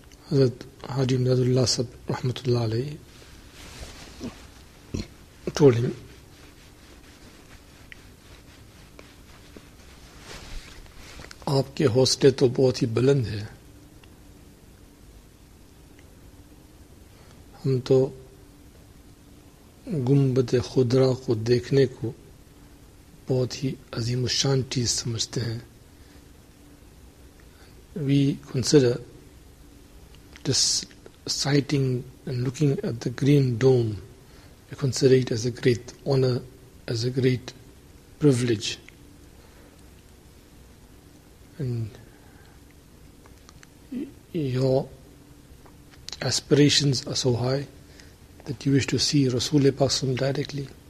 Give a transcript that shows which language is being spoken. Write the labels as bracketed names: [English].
[Urdu] Hazrat Haji Imdadullah Sahib rahmatullah alayhi [English] told him, [Urdu] آپ کے حوصلے تو بہت ہی بلند ہیں, ہم تو گنبد خدرا کو دیکھنے کو بہت ہی عظیم و شان چیز سمجھتے ہیں. [English] We consider just sighting and looking at the green dome, we consider it as a great honour, as a great privilege. And your aspirations are so high that you wish to see Rasul-e-Pak-Sum directly.